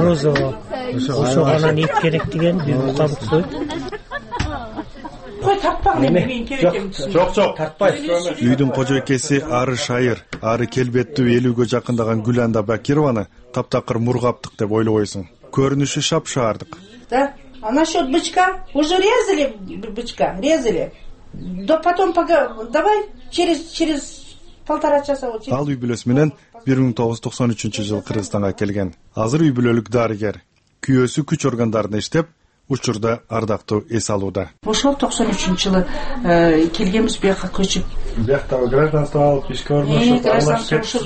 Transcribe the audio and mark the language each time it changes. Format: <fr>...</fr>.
<ky>Орозого. Ошо анан эт керек деген бир букабык сойуп. Кой тартпаң эми керек эмесин. Жок, жок, тартпайсыз. Үйдүн кожойкеси ары шайыр, ары келбеттүү 50 жакындаган Гүлэнда Бакированы таптакыр мургаптык деп ойлобойсуң. Көрүнүшү шапшаардык.</ky> <ru>Да? А насчёт бычка? Уже резали бычка, резали. Да потом пока давай через полтора часа вот.</ru> <ky>Ал үй-бүлөсү менен 1993 жылы Кыргызстанга келген. Азыр үй-бүлөлүк дарыгер. Күйөөсү күч органдарында иштеп, учурда ардактуу эс алууда. Ошол 93 жылы келгенбиз бияка көчүп. Бияктагы гражданство алып ишке орношуп, алып кетип.</ky>